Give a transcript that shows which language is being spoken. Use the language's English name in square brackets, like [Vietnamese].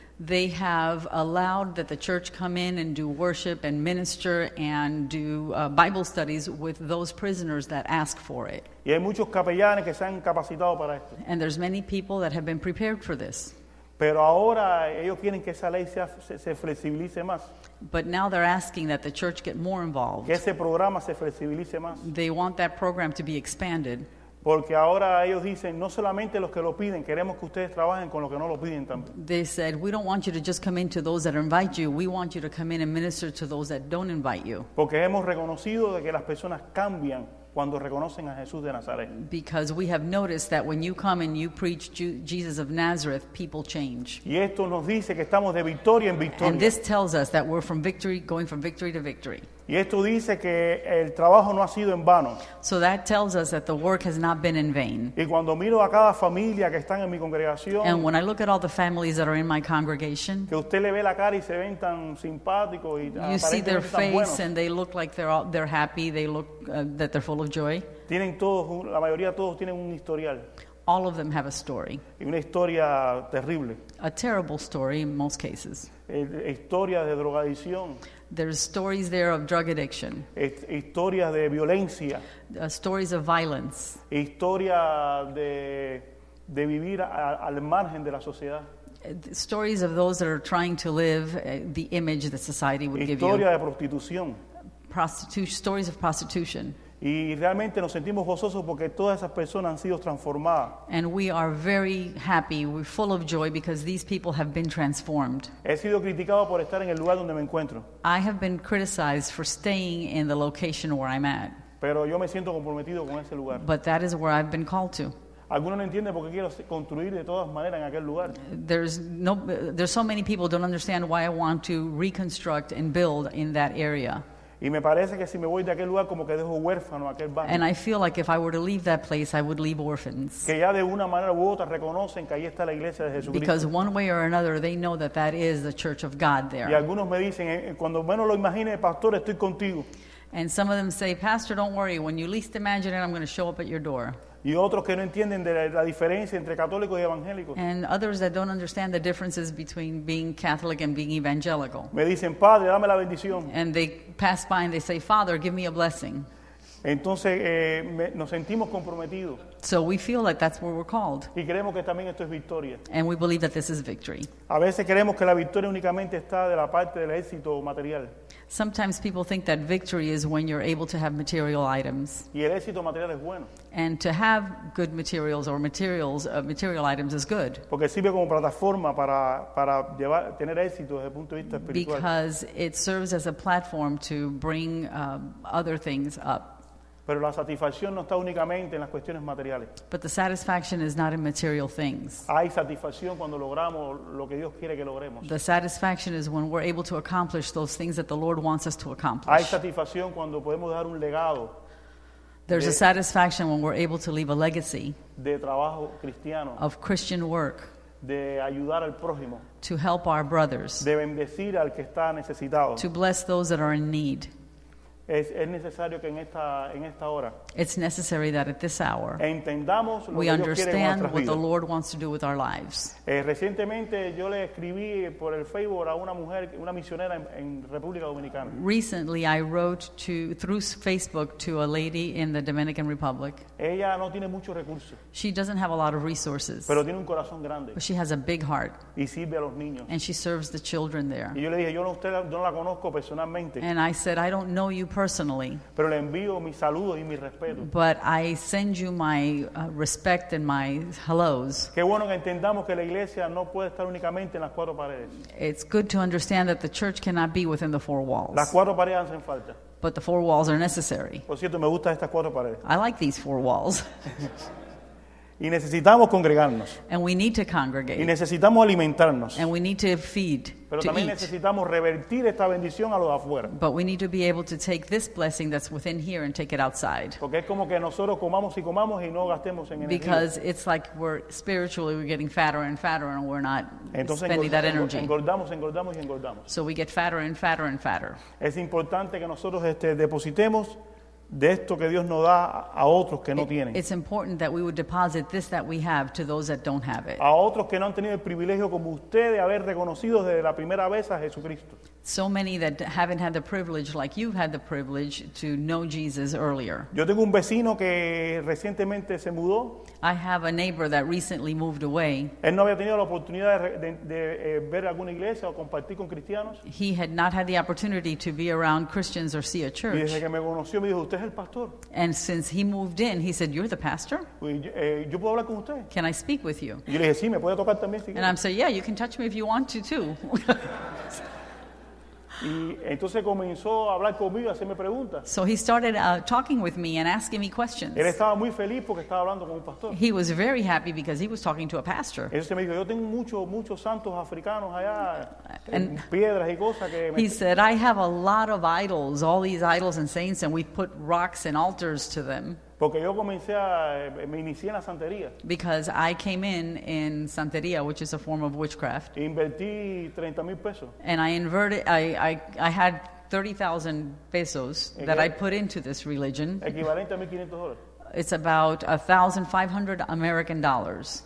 [English] They have allowed that the church come in and do worship and minister and do Bible studies with those prisoners that ask for it. [Spanish] Y hay muchos capellanes que se han capacitado para esto. [English] And there's many people that have been prepared for this. [Spanish] Pero ahora ellos quieren que esa ley se flexibilice más. [English] But now they're asking that the church get more involved. [Spanish] Que ese programa se flexibilice más. [English] They want that program to be expanded. [Spanish] Porque ahora ellos dicen, no solamente los que lo piden, queremos que ustedes trabajen con los que no lo piden también. [English] They said, we don't want you to just come in to those that invite you, we want you to come in and minister to those that don't invite you. [Spanish] Porque hemos reconocido de que las personas cambian cuando reconocen a Jesús de Nazaret. [English] Because we have noticed that when you come and you preach Jesus of Nazareth, people change. [Spanish] Y esto nos dice que estamos de victoria en victoria. [English] And this tells us that we're from victory, going from victory to victory. [Spanish] Y esto dice que el trabajo no ha sido en vano. [English] So that tells us that the work has not been in vain. [Spanish] Y cuando miro a cada familia que están en mi congregación, [English] and when I look at all the families that are in my congregation, [Spanish] que usted le ve la cara y se ven tan simpáticos y [English] you see their face and they look like they're happy, they look that they're full of joy. [Spanish] Tienen todos, la mayoría todos tienen un historial. [English] All of them have a story. [Spanish] Y una historia terrible. [English] A terrible story in most cases. [Spanish] Historia de drogadicción. [English] There's stories there of drug addiction. [Spanish] Historias de violencia. [English] Stories of violence. [Spanish] Historia de vivir al margen de la sociedad. [English] Stories of those that are trying to live the image that society would [Spanish] historia [English] give you. [Spanish] Historia de prostitución. [English] Stories of prostitution. [Spanish] Y realmente nos sentimos gozosos porque todas esas personas han sido transformadas. [English] And we are very happy, we're full of joy because these people have been transformed. [Spanish] He sido criticado por estar en el lugar donde me encuentro. [English] I have been criticized for staying in the location where I'm at. [Spanish] Pero yo me siento comprometido con ese lugar. [English] But that is where I've been called to. [Spanish] Algunos no entienden por qué quiero construir de todas maneras en aquel lugar. [English] There's so many people don't understand why I want to reconstruct and build in that area. [Spanish] Y me parece que si me voy de aquel lugar como que dejo huérfano aquel barrio. [English] And I feel like if I were to leave that place, I would leave orphans. [Spanish] Que ya de una manera u otra reconocen que ahí está la iglesia de Jesucristo. [English] Because one way or another, they know that that is the church of God there. [Spanish] Y algunos me dicen, cuando menos lo imagine, pastor, estoy contigo. [English] And some of them say, "Pastor, don't worry. When you least imagine it, I'm going to show up at your door." [Spanish] Y otros que no entienden de la diferencia entre católicos y evangélicos. [English] And others that don't understand the differences between being Catholic and being evangelical. [Spanish] Me dicen, "Padre, dame la bendición." [English] And they pass by and they say, "Father, give me a blessing." [Spanish] Entonces, nos sentimos comprometidos. [English] So we feel like that's what we're called. [Spanish] Y creemos que también esto es victoria. [English] And we believe that this is victory. [Spanish] A veces creemos que la victoria únicamente está de la parte del éxito material. [English] Sometimes people think that victory is when you're able to have material items. [Spanish] Y el éxito material es bueno. [English] And to have good materials or materials, material items is good. [Spanish] Porque sirve como plataforma para llevar, tener éxito desde el punto de vista espiritual. [English] Because it serves as a platform to bring other things up. [Spanish] Pero la satisfacción no está únicamente en las cuestiones materiales. [English] But the satisfaction is not in material things. [Spanish] Hay satisfacción cuando logramos lo que Dios quiere que logremos. [English] The satisfaction is when we're able to accomplish those things that the Lord wants us to accomplish. [Spanish] Hay satisfacción cuando podemos dejar un legado. [English] There's a satisfaction when we're able to leave a legacy. [Spanish] De trabajo cristiano. [English] Of Christian work. [Spanish] De ayudar al prójimo. [English] To help our brothers. [Spanish] De bendecir al que está necesitado. [English] To bless those that are in need. [Spanish] Es necesario que en esta hora, [English] it's necessary that at this hour [Spanish] entendamos lo [English] we [Spanish] que [English] understand [Spanish] Dios [English] what the Lord wants to do with our lives. [Spanish] Recientemente yo le escribí por el Facebook a una mujer, una misionera en República Dominicana. [English] Recently I wrote through Facebook to a lady in the Dominican Republic. [Spanish] Ella no tiene muchos recursos. [English] She doesn't have a lot of resources. [Spanish] Pero tiene un corazón grande. [English] But she has a big heart. [Spanish] Y sirve a los niños. [English] And she serves the children there. [Spanish] Y yo le dije, yo no la conozco personalmente. [English] And I said, "I don't know you personally, [Spanish] pero le envío mis saludos y mis respetos." [English] But I send you my respect and my hellos. [Spanish] Qué bueno que entendamos que la iglesia no puede estar únicamente en las cuatro paredes. [English] It's good to understand that the church cannot be within the four walls. [Spanish] Las cuatro paredes hacen falta. [English] But the four walls are necessary. [Spanish] Por cierto, me gustan estas cuatro paredes. [English] I like these four walls. [Spanish] Y necesitamos congregarnos. [English] And we need to congregate. [Spanish] Y necesitamos alimentarnos. [English] And we need to feed. [Spanish] Pero también necesitamos revertir esta bendición a los afuera. [English] But we need to be able to take this blessing that's within here and take it outside. [Spanish] Porque es como que nosotros comamos y comamos y no gastemos en energía. [English] Because it's like we're spiritually we're getting fatter and fatter and we're not [Spanish] entonces [English] spending that energy. [Spanish] Engordamos, engordamos y engordamos. [English] So we get fatter and fatter and fatter. [Spanish] Es importante que nosotros depositemos de esto que Dios nos da a otros que no tienen. [English] It's important that we would deposit this that we have to those that don't have it. [Spanish] A otros que no han tenido el privilegio como usted de haber reconocido desde la primera vez a Jesucristo. [English] So many that haven't had the privilege like you've had the privilege to know Jesus earlier. [Spanish] Yo tengo un vecino que recientemente se mudó. [English] I have a neighbor that recently moved away. [Spanish] Él no había tenido la oportunidad de ver alguna iglesia o compartir con cristianos. [English] He had not had the opportunity to be around Christians or see a church. [Spanish] Y desde que me conoció me dijo, "Usted es el pastor." [English] And since he moved in, he said, "You're the pastor?" [Spanish] Yo puedo hablar con usted. [English] Can I speak with you? [Spanish] Yo le dije, "Sí, me puede tocar también si quiere." [English] And I'm saying, "Yeah, you can touch me if you want to too." [Spanish] Y entonces comenzó a hablar conmigo, a hacerme preguntas. [English] So he started talking with me and asking me questions. [Spanish] Él estaba muy feliz porque estaba hablando con un pastor. [English] He was very happy because he was talking to a pastor. [Spanish] Entonces me dijo, "Yo tengo muchos santos africanos allá, en piedras y cosas que me..." [English] He said, "I have a lot of idols, all these idols and saints, and we put rocks and altars to them." [Spanish] Porque yo comencé me inicié en la santería. [English] Because I came in santería, which is a form of witchcraft. [Spanish] Invertí 30,000 pesos. [English] And I had 30,000 pesos that I put into this religion. [Spanish] Equivalente a $1,500. [English] It's about $1,500 American dollars.